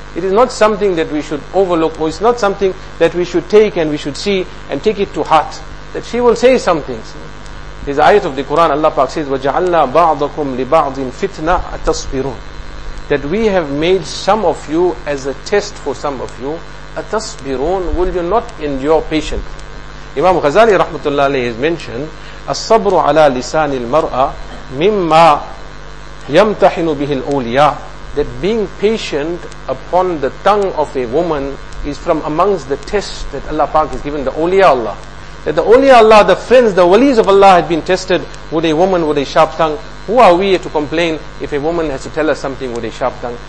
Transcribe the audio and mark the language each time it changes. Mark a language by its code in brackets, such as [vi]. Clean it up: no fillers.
[en] It is not something that we should overlook, or it's not something that we should take and we should see and take it to heart. That she will say some things. His ayat of the Quran, Allah Pak says, [ar] وَجَعَلْنَا بَعْضَكُمْ لِبَعْضٍ فِتْنَا أَتَصْبِرُونَ. [en] That we have made some of you as a test for some of you. [ar] أَتَصْبِرُونَ. [en] Will you not endure patiently? Imam Ghazali rahmatullah alayhi has mentioned, [ar] الصبر على لسان المرأة مما يمتحن به الأولياء. [en] That being patient upon the tongue of a woman is from amongst the tests that Allah Pak has given the awliya Allah. That the awliya Allah, the friends, the walis of Allah had been tested with a woman with a sharp tongue. Who are we to complain if a woman has to tell us something with a sharp tongue?